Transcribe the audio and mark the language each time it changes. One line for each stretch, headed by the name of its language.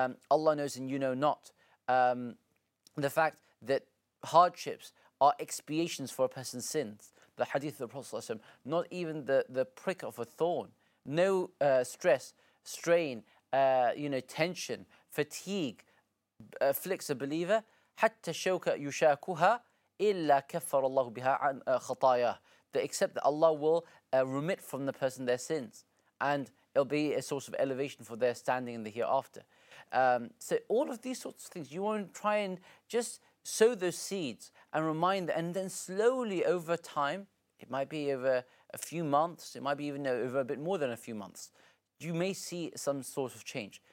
English: Allah knows and you know not. The fact that hardships are expiations for a person's sins. The hadith of the Prophet ﷺ, not even the prick of a thorn, no stress, strain, you know, tension, fatigue afflicts a believer.
Arabic: حتى شوكة يشاكوها إلا كفر الله بها عن خطاياه.
English: They accept that Allah will remit from the person their sins, and it'll be a source of elevation for their standing in the hereafter. So all of these sorts of things, you want to try and just sow those seeds and remind them, and then slowly over time, it might be over a few months, it might be even over a bit more than a few months, you may see some sort of change.